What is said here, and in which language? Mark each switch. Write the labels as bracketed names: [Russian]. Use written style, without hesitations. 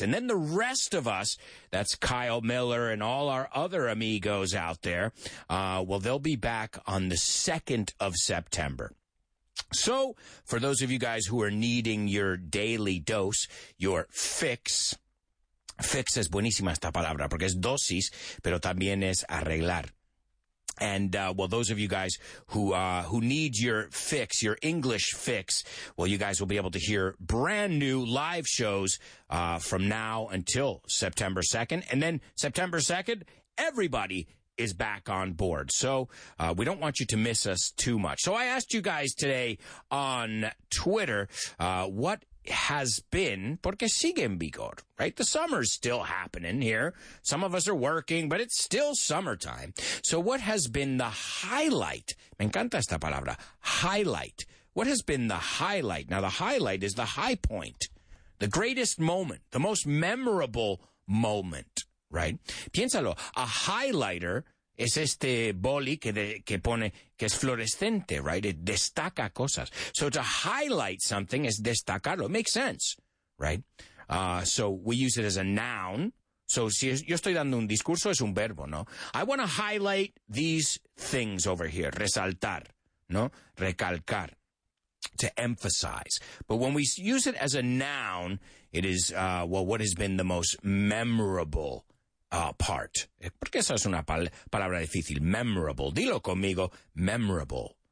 [English] And then the rest of us, that's Kyle Miller and all our other amigos out there, they'll be back on the 2nd of September. So, for those of you guys who are needing your daily dose, your fix. [Spanish] Fix es buenísima esta palabra porque es dosis, pero también es arreglar. [English] And, those of you guys who need your fix, your English fix, well, you guys will be able to hear brand new live shows from now until September 2nd. And then September 2nd, everybody is back on board. So we don't want you to miss us too much. So I asked you guys today on Twitter what has been, [Spanish] porque sigue en vigor, [English] right? The summer's still happening here. Some of us are working, but it's still summertime. So what has been the highlight? [Spanish] Me encanta esta palabra, [English] highlight. What has been the highlight? Now, the highlight is the high point, the greatest moment, the most memorable moment, right? [Spanish] Piénsalo, a highlighter es este boli que pone, que es fluorescente, [English] right? It [Spanish] destaca cosas. [English] So to highlight something is destacarlo. It makes sense, right? So we use it as a noun. [Spanish] So si yo estoy dando un discurso, es un verbo, ¿no? [English] I want to highlight these things over here. [Spanish] Resaltar, ¿no? Recalcar. [English] To emphasize. But when we use it as a noun, it is, what has been the most memorable part. [Spanish] Porque esa es una palabra difícil. Memorable. Dilo conmigo. Memorable.